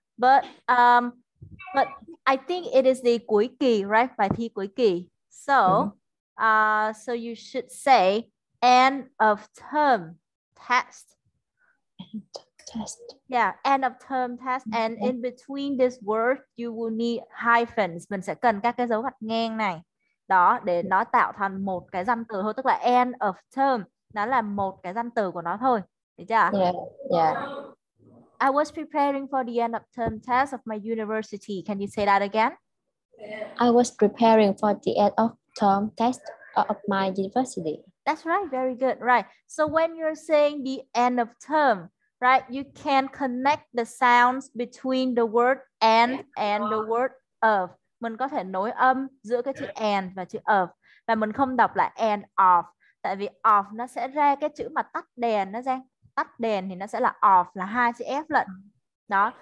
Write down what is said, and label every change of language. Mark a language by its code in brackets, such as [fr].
[en] But I think it is the [vi] cuối kỳ, [en] right? [vi] Bài thi cuối kỳ. [en] So, so you should say end of term test. Test. Yeah, end of term test. And in between this word, you will need hyphens. [vi] Mình sẽ cần các cái dấu gạch ngang này. Đó, để nó tạo thành một cái danh từ thôi, tức là [en] end of term, [vi] nó là một cái danh từ của nó thôi, được chưa? [en] I Yeah. was preparing for the end of term test of my university. Can you say that again? I was preparing for the end of term test of my university. That's right, very good. Right. So when you're saying the end of term, right, you can connect the sounds between the word and the word of. [vi] Mình có thể nối âm giữa cái chữ and và chữ of và mình không đọc là and of, tại vì of nó sẽ ra cái chữ mà tắt đèn, nó ra tắt đèn thì nó sẽ là of, là hai chữ f lận đó.